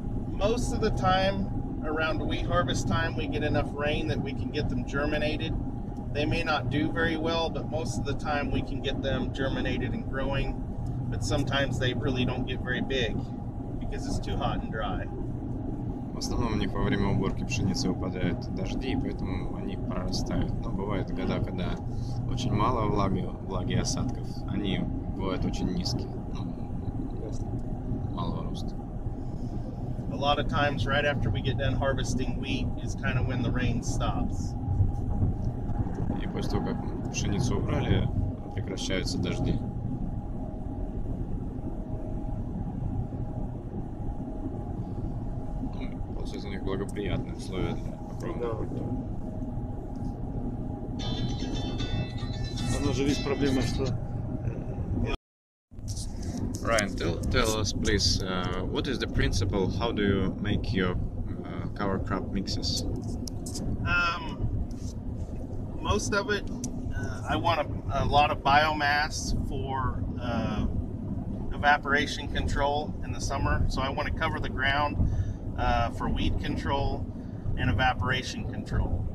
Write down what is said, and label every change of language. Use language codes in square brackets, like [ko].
[en] Most of the time, around wheat harvest time, we get enough rain that we can get them germinated. They may not do very well, but most of the time we can get them germinated and growing. But sometimes they really don't get very big because it's too hot and dry. [ru] В основном у них во время уборки пшеницы выпадают дожди, поэтому они прорастают. Но бывают года, когда очень мало влаги и осадков, они бывают очень низкие, ну, малого роста. [en] A lot of times, right after we get done harvesting wheat, is kind of when the rain stops. [ru] И после того, как пшеницу убрали, прекращаются дожди. Благоприятные условия для покровки. Да. Оно же весь проблема, что... [en] Райан, tell us, please, what is the principle, how do you make your cover crop mixes? Most of it, I want a lot of biomass for evaporation control in the summer, so I want to cover the ground for weed control and evaporation control.